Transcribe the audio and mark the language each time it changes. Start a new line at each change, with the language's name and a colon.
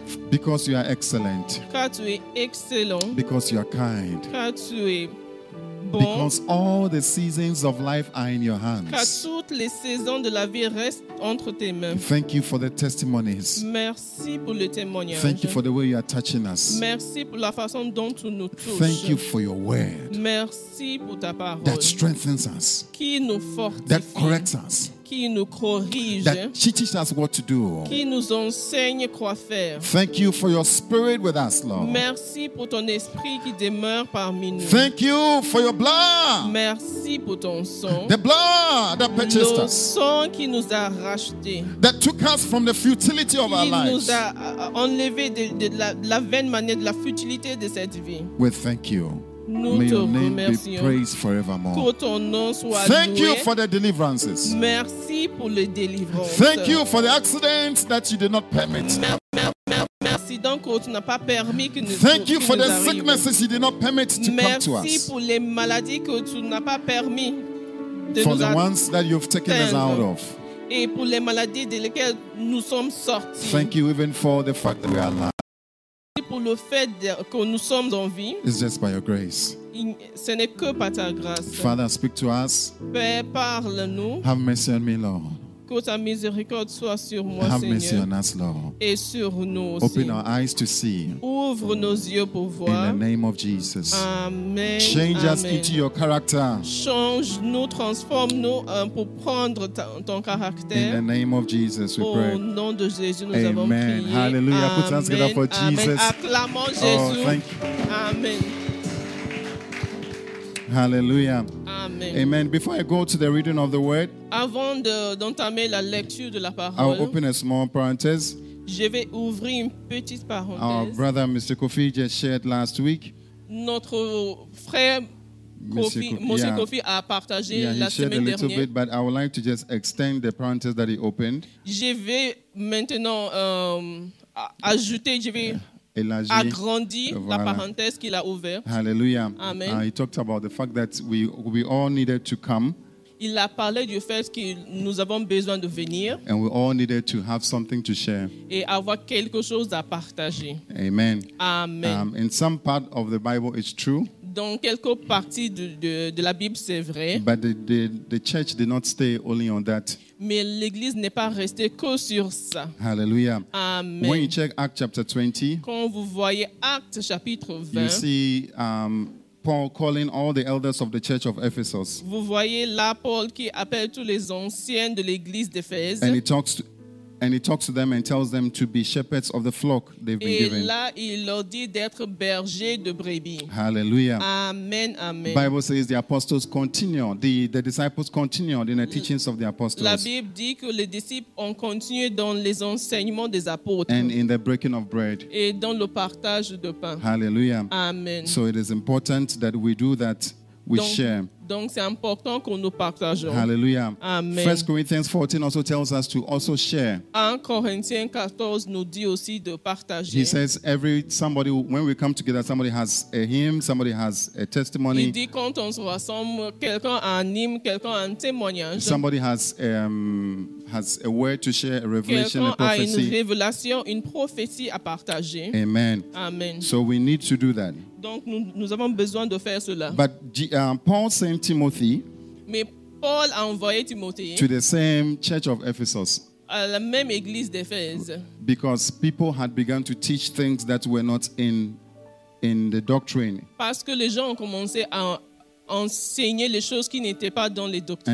English: Because you are excellent.
French: Car tu es excellent.
English: Because you are kind.
French: Car tu es bon.
English: Because all the seasons of life are in your hands.
French: Car toutes les saisons de la vie restent entre tes mains.
English: Thank you for the testimonies.
French: Merci pour le témoignage.
English: Thank you for the way you are touching us.
French: Merci pour la façon dont tu nous touches.
English: Thank you for your word.
French: Merci pour ta parole.
English: That strengthens us.
French: Qui nous fortifie.
English: That corrects us.
French: Qui nous corrige.
English: That teaches us what to do.
French: Qui nous enseigne quoi faire.
English: Thank you for your spirit with us, Lord.
French: Merci pour ton esprit qui demeure parmi nous.
English: Thank you for your blood.
French: Merci pour ton sang.
English: The blood that purchased us.
French: Le sang qui nous a racheté.
English: That took us from the futility of our lives.
French: Qui nous a enlevé de la vaine manière de la futilité de cette vie.
English: We thank you.
French: Nous
English: May
French: te
English: your name
French: remercions.
English: Be praised forevermore.
French: Que ton nom soit
English: Thank
French: loué.
English: You for the deliverances.
French: Merci pour les délivrances.
English: Thank you for the accidents that you did not permit.
French: Merci donc que tu n'as pas permis que nous
English: Thank you
French: nous
English: for
French: nous
English: the
French: arrivons.
English: Sicknesses you did not permit to
French: Merci
English: come to us.
French: Merci pour les maladies que tu n'as pas permis de
English: For
French: nous
English: the ones that you've taken us out of.
French: Et pour les maladies de lesquelles nous sommes sortis.
English: Thank you even for the fact that we are alive.
French: Le fait que nous sommes en vie,
English: It's just by your grace.
French: Ce n'est que par ta grâce.
English: Father, speak to us.
French: Père, parle-nous.
English: Have mercy on me, Lord.
French: Que ta miséricorde soit sur moi,
English: Have
French: Seigneur.
English: Mercy on us, Lord.
French: Et sur nous aussi.
English: Open our eyes to see.
French: Ouvre nos yeux pour voir.
English: In the name of Jesus. Amen. Change Amen. Us into your character.
French: Change-nous, transforme-nous pour prendre ton caractère.
English: In the name of Jesus, we pray.
French: Au nom de Jésus, nous Amen. Avons prié.
English: Amen. Hallelujah. Put hands together for Amen. Jesus.
French: Acclamons Jésus.
English: Oh, thank you. Amen. Hallelujah. Amen. Amen. Amen. Before I go to the reading of the word,
French: avant d'entamer la lecture de la parole,
English: I'll open a small parenthèse.
French: Je vais ouvrir une petite parenthèse.
English: Our brother, Mr. Kofi, just shared last week.
French: Notre frère Kofi a partagé la semaine dernière.
English: He shared a little bit, but I would like to just extend the parenthèse that he opened.
French: Je vais maintenant ajouter. Je vais agrandir la parenthèse qu'il a ouverte. Hallelujah. Amen.
English: He talked about the fact that we all needed to come.
French: Il a parlé du fait que nous avons besoin de venir.
English: And we all needed to have something to share.
French: Et avoir quelque chose à partager. Amen. Amen.
English: In some part of the Bible, it's true.
French: Dans quelques parties de la Bible, c'est vrai.
English: But the church did not stay only on that.
French: Mais l'église n'est pas restée que sur ça. Hallelujah. Amen.
English: When you check Acts chapter 20,
French: quand vous voyez Actes chapitre 20,
English: you see Paul calling all the elders of the church of Ephesus.
French: Vous voyez là Paul qui appelle tous les anciens de l'église d'Éphèse.
English: And he talks to them and tells them to be shepherds of the flock they've been given.
French: Et là, il leur dit d'être bergers de brebis. Hallelujah. Amen, amen.
English: The Bible says the apostles continued, the disciples continued in the teachings of the apostles.
French: La Bible dit que les disciples ont continué dans les enseignements des apôtres.
English: And in the breaking of bread.
French: Et dans le partage de pain. Hallelujah. Amen.
English: So it is important that we do that. We
French: donc,
English: share.
French: Donc c'est important qu'on nous partageons. Hallelujah. Amen.
English: 1 Corinthians 14 also tells us to also share.
French: 1 Corinthiens 14 nous dit aussi de partager.
English: He says somebody when we come together, somebody has a hymn, somebody has a testimony.
French: Il dit quand on se rassemble, quelqu'un a un hymne, quelqu'un a un témoignage.
English: Somebody has a word to share, a revelation,
French: quelqu'un
English: a prophecy.
French: Quelqu'un a une révélation, une prophétie à partager. Amen. Amen.
English: So we need to do that.
French: Donc nous avons besoin de faire cela.
English: But Paul sent Timothy.
French: Mais Paul a envoyé Timothée
English: to the same church of Ephesus.
French: À la même église d'Éphèse.
English: Because people had begun to teach things that were not in the doctrine.
French: Parce que les gens ont commencé à enseigner les choses qui n'étaient pas dans les doctrines.